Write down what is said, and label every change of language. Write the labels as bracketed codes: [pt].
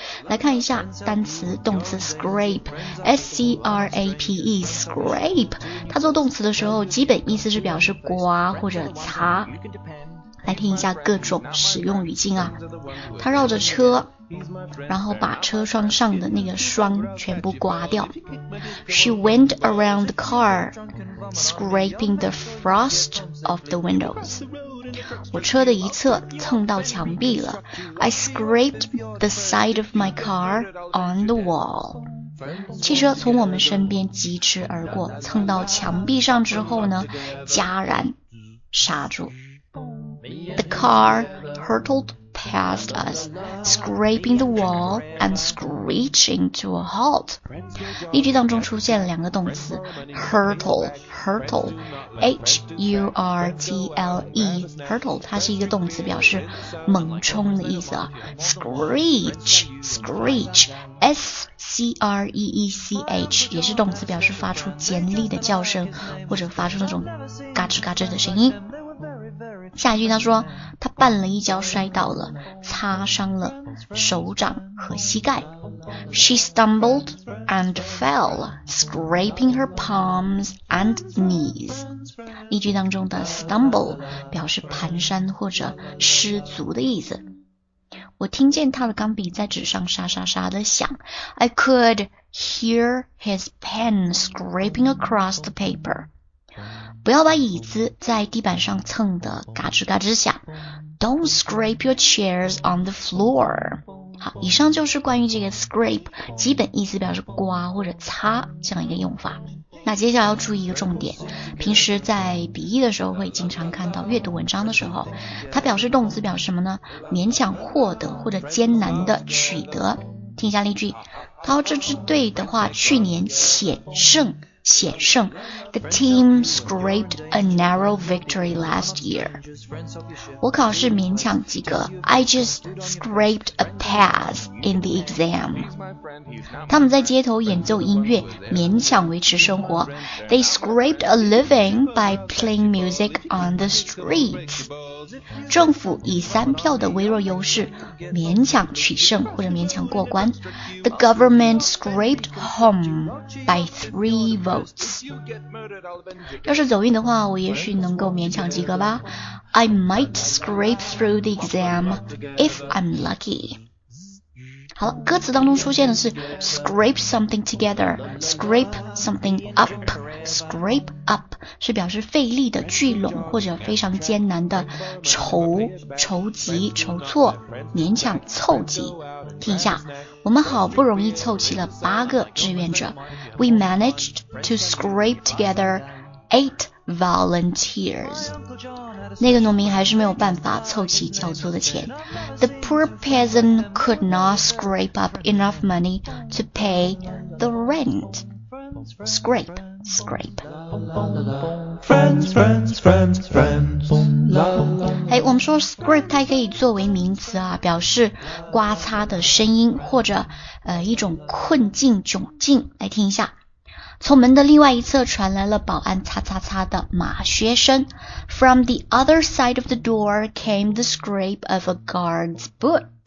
[zh] 来看一下单词，动词 scrape, S-C-R-A-P-E, scrape, 它做动词的时候基本意思是表示刮或者擦。来听一下各种使用语境啊，他绕着车，然后把车窗上的那个霜全部刮掉。 [en] She went around the car, scraping the frost off the windows. [zh] 我车的一侧蹭到墙壁了。 [en] I scraped the side of my car on the wall. [zh] 汽车从我们身边疾驰而过，蹭到墙壁上之后呢，戛然刹住。 [en] The car hurtled past us, scraping the wall and screeching to a halt. [zh] 例句当中出现了两个动词 hurtle, H-U-R-T-L-E, hurtle, 它是一个动词表示猛冲的意思啊。 Screech, S-C-R-E-E-C-H, 也是动词表示发出尖利的叫声或者发出那种嘎吱嘎吱的声音。下一句他说他绊了一跤摔倒了，擦伤了手掌和膝盖。 [en] She stumbled and fell, scraping her palms and knees. [zh] 例句当中的 stumble 表示蹒跚或者失足的意思。我听见他的钢笔在纸上沙沙沙的响。 [en] I could hear his pen scraping across the paper. [zh] 不要把椅子在地板上蹭得嘎吱嘎吱响。 [en] Don't scrape your chairs on the floor. [zh] 好，以上就是关于这个 scrape 基本意思表示刮或者擦这样一个用法。那接下来要注意一个重点，平时在笔译的时候会经常看到阅读文章的时候，它表示动词表示什么呢？勉强获得或者艰难的取得。听一下例句，陶志志队的话去年险胜险胜。 [en] The team scraped a narrow victory last year. [zh] 我考试勉强及格。 [en] I just scraped a pass in the exam. [zh] 他们在街头演奏音乐，勉强维持生活。 [en] They scraped a living by playing music on the streets. [zh] 政府以三票的微弱优势勉强取胜或者勉强过关。 [en] The government scraped home by 3 votes. [zh] 要是走运的话，我也许能够勉强及格吧。 [en] I might scrape through the exam if I'm lucky. [zh] 好了，歌词当中出现的是 scrape something together, scrape something up, scrape up 是表示费力的聚拢或者非常艰难的筹集、筹措、勉强凑集。听一下，我们好不容易凑齐了8个志愿者。 [en] We managed to scrape together 8 volunteers. [zh] 那个农民还是没有办法凑齐交租的钱。 [en] The poor peasant could not scrape up enough money to pay the rent. Scrape, scrape. Friends, friends, friends, friends. [zh] 哎，我们说 scrape 它可以作为名词啊，表示刮擦的声音或者一种困境窘境。来听一下。从门的另外一侧传来了保安擦擦擦的马靴声。 [en] From the other side of the door came the scrape of a guard's boot.